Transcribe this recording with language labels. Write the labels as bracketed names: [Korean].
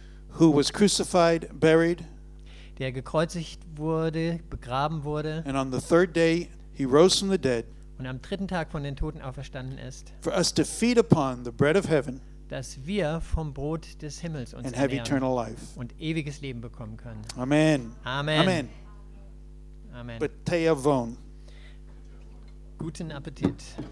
[English] Who was crucified, buried. [German] Der gekreuzigt wurde, begraben wurde. [English] And on the third day he rose from the dead. [German] Und am dritten Tag von den Toten auferstanden ist. [English] For us to feed upon the bread of heaven. [German] Dass wir vom Brot des Himmels uns [English] and have eternal life. [German] Und ewiges Leben bekommen können. [English] Amen. [German] Amen. [English] Amen. [German] Amen. [Hebrew] Bateavon. [German] Guten Appetit.